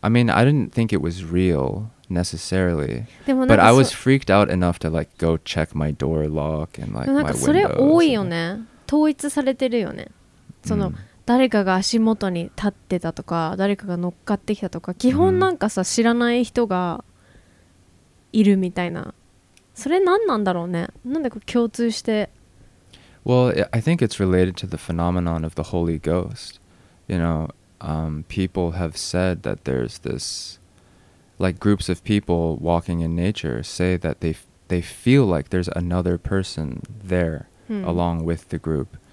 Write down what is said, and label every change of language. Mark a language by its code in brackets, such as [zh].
[en] I mean, I didn't think it was real. Necessarily, but I was freaked out enough to like go check my door lock and like my windows. [ja] それ多いよね。統一されてるよね。その誰かが足元に立ってたとか、誰かが乗っかってきたとか、基本なんかさ、知らない人がいるみたいな。それ何なんだろうね。なんでこう共通して。 [en] Well, I think it's related to the phenomenon of the Holy Ghost. You know, people have said that there's this. Like groups of people walking in nature say that they feel like there's another person there along with the group.